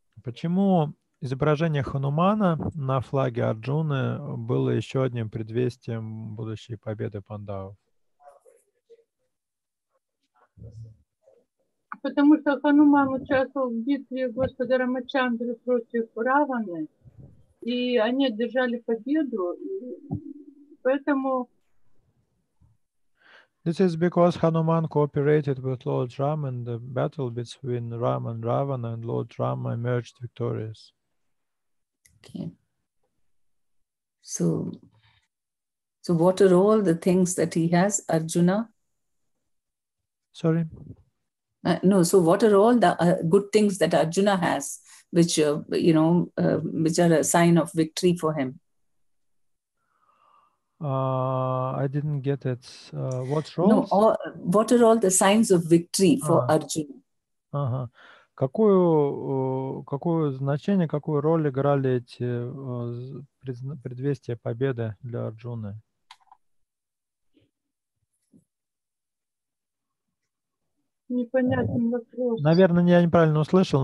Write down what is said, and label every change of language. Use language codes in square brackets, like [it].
[ru] Почему изображение Ханумана на флаге Арджуны было еще одним предвестием будущей победы пандавов? Потому что Хануман участвовал в битве Господа Рамачандры против Раваны, и они одержали победу, поэтому... [en] This is because Hanuman cooperated with Lord Rama in the battle between Rama and Ravana, and Lord Rama emerged victorious. Okay. So what are all the things that he has, Arjuna? Sorry? So what are all the good things that Arjuna has, which are a sign of victory for him? I didn't get it. What's wrong? No, what are all the signs of victory for Arjuna? Uh-huh. [ru] Какое значение, какую роль играли эти предвестия победы для Арджуны? Непонятный вопрос. Наверное, я неправильно услышал.